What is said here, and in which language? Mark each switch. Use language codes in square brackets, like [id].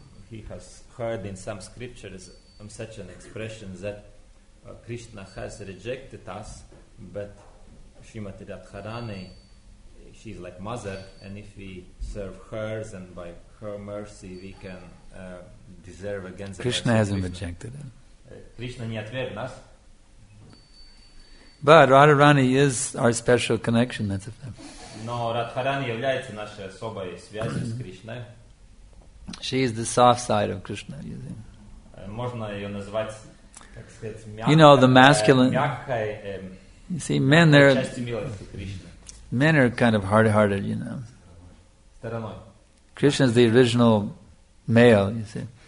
[en] He has heard in some scriptures such an expression that Krishna has rejected us, but Shrimati Radharani, she is like mother, and if we serve her, then by her mercy we can deserve again the Krishna hasn't rejected him. [ru] Krishna не отверг нас. [en] But Radharani is our special connection, that's a fact. [ru] Но Радхарани является нашей особой связью с Кришной. [en] She is the soft side of Krishna, you think. [ru] Можно ее назвать [en] You know, the masculine, you see, men, they're, men are kind of hard-hearted, you know. Krishna is the original male, you see.